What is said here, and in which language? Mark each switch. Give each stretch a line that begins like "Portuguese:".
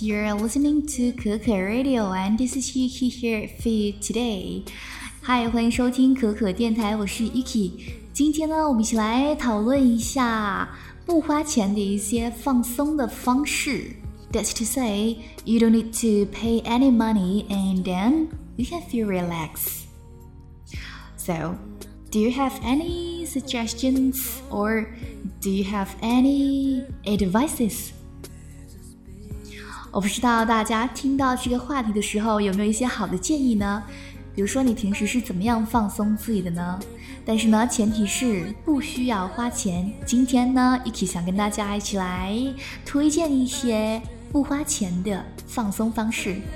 English: You're listening to Keke Radio, and this is Yuki here for you today.
Chinese: Hi, 欢迎收听可可电台，我是 Yuki。今天呢，我们一起来讨论一下不花钱的一些放松的方式。
English: That's to say, you don't need to pay any money, and then you can feel relaxed. So, do you have any suggestions, or do you have any advices?
Chinese: 我不知道大家听到这个话题的时候有没有一些好的建议呢？比如说你平时是怎么样放松自己的呢？但是呢，前提是不需要花钱。今天呢，一起想跟大家一起来推荐一些不花钱的放松方式。